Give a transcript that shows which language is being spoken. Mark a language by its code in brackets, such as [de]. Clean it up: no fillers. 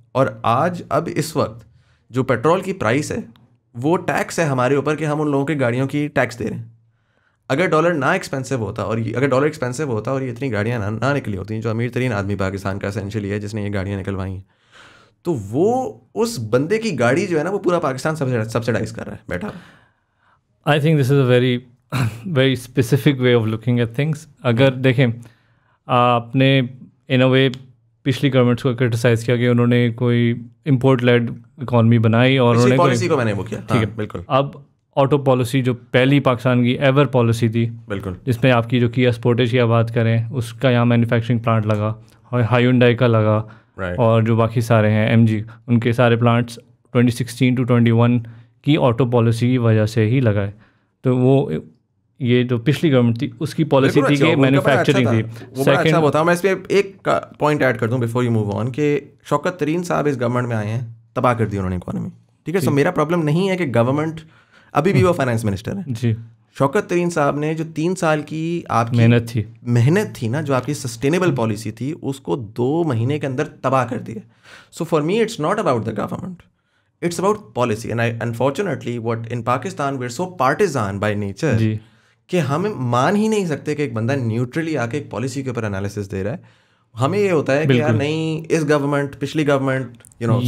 [ur] اور آج اب اس وقت جو پیٹرول کی پرائس ہے وہ ٹیکس ہے ہمارے اوپر کہ ہم ان لوگوں کی گاڑیوں کی ٹیکس دے رہے ہیں. اگر ڈالر نہ ایکسپینسو ہوتا اور اگر ڈالر ایکسپینسو ہوتا اور یہ اتنی گاڑیاں نہ نکلی ہوتی ہیں جو امیر ترین آدمی پاکستان کا اسینشلی ہے جس نے یہ گاڑیاں نکلوائی ہیں, تو وہ اس بندے کی گاڑی جو ہے نا وہ پورا پاکستان سبسڈائز کر رہا ہے بیٹھا. [en] I think this is a very very specific way of looking at things. [ur] اگر دیکھیں آپ نے [en] in a way [ur] پچھلی گورنمنٹس کو کرٹیسائز کیا کہ انہوں نے کوئی امپورٹ لیڈ اکانومی بنائی اور انہوں نے پالیسی کو میں نے وہ کیا. ٹھیک ہے بالکل. اب آٹو پالیسی جو پہلی پاکستان کی ایور پالیسی تھی بالکل, جس میں آپ کی جو کیا اسپورٹیج کی بات کریں اس کا یہاں مینوفیکچرنگ پلانٹ لگا اور ہائیونڈائی کا لگا [en] right. [ur] اور جو باقی سارے ہیں ایم جی ان کے سارے پلانٹس 2016 to 2021 کی آٹو پالیسی کی وجہ سے ہی لگائے. تو وہ یہ جو پچھلی گورنمنٹ تھی اس کی پالیسی تھی کہ مینوفیکچرنگ تھی. سیکنڈ بتاؤں میں اس پہ ایک پوائنٹ ایڈ کر دوں [en] before you move on [ur] کہ شوکت ترین صاحب اس گورنمنٹ میں آئے ہیں تباہ کر دی انہوں نے اکانومی. ٹھیک ہے سو میرا پرابلم نہیں ہے کہ گورنمنٹ ابھی بھی وہ فائنانس منسٹر ہیں. جی شوکت ترین صاحب نے جو 3 سال کی آپ کی محنت تھی نا جو آپ کی سسٹینیبل پالیسی تھی اس کو 2 مہینے کے اندر تباہ کر دیا. [en] So for me it's not about the government it's about policy. And I unfortunately what in Pakistan we are so partisan by nature [ur] کہ ہم مان ہی نہیں سکتے کہ ایک بندہ نیوٹرلی آ کے ایک پالیسی کے اوپر انالیسس دے رہا ہے. ہمیں یہ ہوتا ہے کہ یار نہیں اس گورنمنٹ پچھلی گورنمنٹ یو نو